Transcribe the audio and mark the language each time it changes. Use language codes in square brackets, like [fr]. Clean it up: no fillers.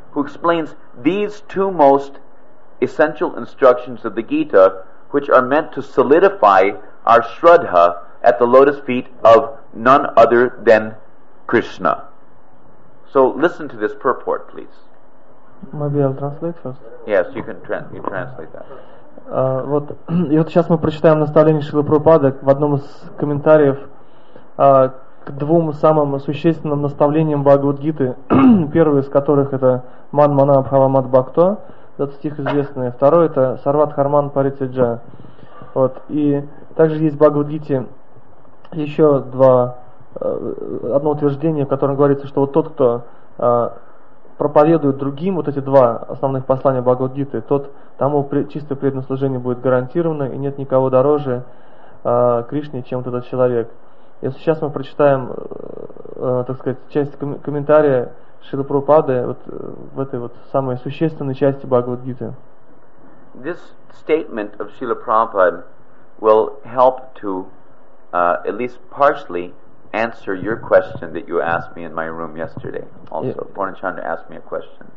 [en] Who explains these two most essential instructions of the Gita, which are meant to solidify our Shraddha at the lotus feet of none other than Krishna. So listen to this purport, please. Maybe I'll translate first. Yes, you translate that. [ru] Вот, и вот сейчас мы прочитаем наставление Шрилы Прабхупады в одном из комментариев к двум самым существенным наставлениям Бхагавад-гиты, первый из которых это «Ман мана бхава мад бхакто», этот стих известный, второй это «Сарват харман паритяджа». Вот, и также есть в Бхагавад-гите еще два, одно утверждение, в котором говорится, что вот тот, кто проповедуют другим вот эти два основных послания Бхагавад-гиты, тот тому чистое преданное служение будет гарантировано, и нет никого дороже Кришне, чем вот этот человек. И сейчас мы прочитаем, так сказать, часть комментария Шрилы Прабхупады вот, в этой вот самой существенной части Бхагавад-гиты. [en] This statement of Srila Prabhupada will help to at least partially answer your question that you asked me in my room yesterday. Also, yeah. Purnachandra asked me a question.